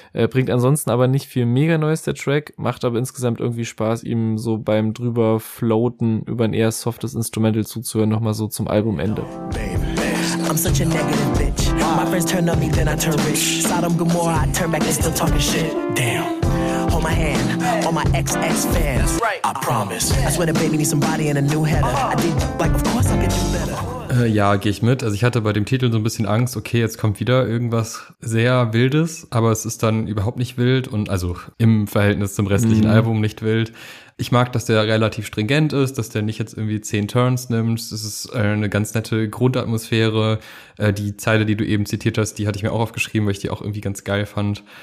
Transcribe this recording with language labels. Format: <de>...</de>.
<de>Bringt ansonsten aber nicht viel mega Neues der Track, macht aber insgesamt irgendwie Spaß, ihm so beim drüber floaten über ein eher softes Instrumental zuzuhören, nochmal so zum Albumende.</de> <en>I'm such a negative bitch. My friends turn on me, then I turn rich. Sodom, Gomorrah, I turn back, they still talking shit. Damn. Hold my hand, all my ex fans. I promise. I swear the baby needs somebody and a new header. I did, like, of course I'll get you better.</en> <de>Ja, gehe ich mit. Also ich hatte bei dem Titel so ein bisschen Angst, okay, jetzt kommt wieder irgendwas sehr Wildes, aber es ist dann überhaupt nicht wild und also im Verhältnis zum restlichen Album nicht wild. Ich mag, dass der relativ stringent ist, dass der nicht jetzt irgendwie 10 Turns nimmt. Das ist eine ganz nette Grundatmosphäre. Die Zeile, die du eben zitiert hast, die hatte ich mir auch aufgeschrieben, weil ich die auch irgendwie ganz geil fand.</de>